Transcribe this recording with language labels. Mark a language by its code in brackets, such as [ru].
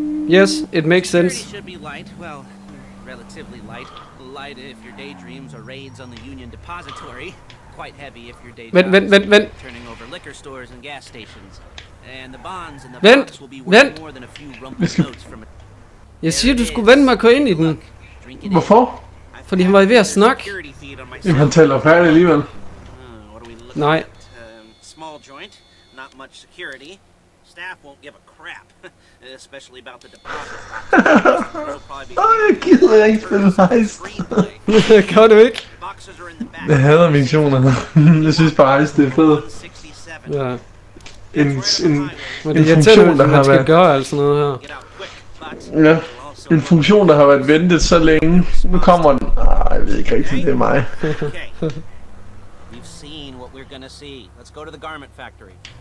[en] Yes, it makes sense. Security should be light, well... Relatively light. Light if your daydreams are raids on the Union Depository. Quite heavy if your daydreams are turning over liquor stores and gas stations. And the bonds in the box will be worth more than a few rumpled notes from a... [da] Jeg siger, du skulle vente mig at køre ind i den. Hvorfor? Fordi han var ved at snakke. Jamen, han taler færdig alligevel. Nej. [en] Small joint, not much security. Staff won't give a crap. Especially about the deposit. [da] Åh, jeg gider ikke spille heist. Kan du ikke? Jeg hader missionerne. Jeg synes bare heist, det er fedt. Ja. En funktion, der har været... Gøre, altså noget her. Ja. En funktion, der har været ventet så længe. Nu kommer den. Arh, jeg ved ikke rigtigt, det er mig. [en] We've seen what we're gonna see. Let's go to the garment factory.